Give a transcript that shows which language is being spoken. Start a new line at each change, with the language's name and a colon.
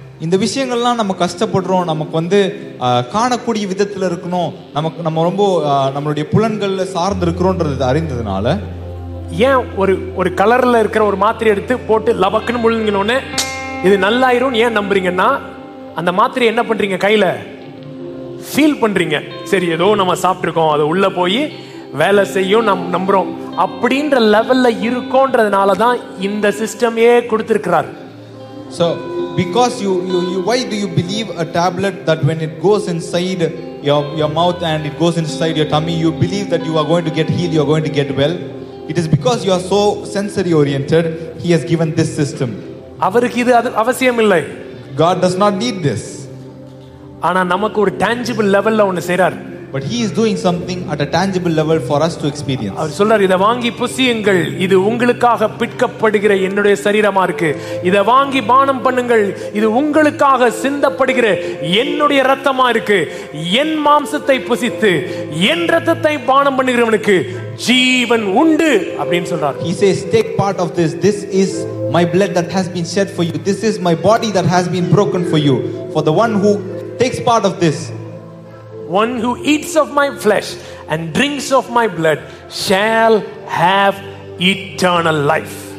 Tamil: இந்த விஷயங்கள்லாம் நம்ம கஷ்டப்படுறோம், நமக்கு வந்து காணக்கூடிய விதத்துல இருக்கணும், நமக்கு நம்ம ரொம்ப நம்மளுடைய புலன்கள்ல சார்ந்து இருக்கிறோன்றது அறிந்ததுனால ஏன் ஒரு ஒரு கலர்ல இருக்கிற ஒரு மாத்திரை எடுத்து போட்டு லபக்குன்னு முழுங்கினோடனே இது நல்லாயிரும் ஏன் நம்புறீங்கன்னா அந்த மாத்திரை என்ன பண்றீங்க கையில ஃபீல் பண்றீங்க, சரி ஏதோ நம்ம சாப்பிட்டுருக்கோம் அதை உள்ள போய் வேலை செய்யும் நம் நம்புறோம் அப்படின்ற லெவல்ல இருக்கோன்றதுனால தான் இந்த சிஸ்டமே கொடுத்திருக்கிறார்.
English: So because you why do you believe a tablet that when it goes inside your mouth and it goes inside your tummy you believe that you are going to get healed, you are going to get well? It is because you are so sensory oriented, he has given this system.
Tamil: அவருக்கு இது அவசியம் இல்லை.
English: God does not need this.
Tamil: ஆனா நமக்கு ஒரு tangible லெவல்ல ஒன்னு செய்றார்.
English: But he is doing something at a tangible level for us to experience.
Tamil: அவர் சொல்றார் இத வாங்கி புசியுங்கள், இது உங்களுக்காக பிட்கப்படுகிற என்னுடைய சரீரமா இருக்கு. இத வாங்கி பானம் பண்ணுங்கள், இது உங்களுக்காக சிந்தப்படுகிற என்னுடைய இரத்தமா இருக்கு. என் மாம்சத்தை புசித்து என் இரத்தத்தை பானம் பண்ணுகிறவனுக்கு ஜீவன் உண்டு அப்படினு சொல்றார்.
English: He says take part of this, this is my blood that has been shed for you, this is my body that has been broken for you. For the one who takes part of this, one who eats of my flesh and drinks of my blood shall have eternal life.